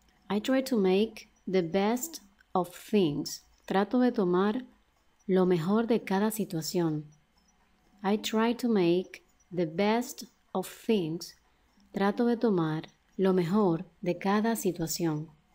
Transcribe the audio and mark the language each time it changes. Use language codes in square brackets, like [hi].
[en] I try to make the best of things. [es] Trato de tomar lo mejor de cada situación. [en] I try to make the best of things. [es] Trato de tomar lo mejor de cada situación.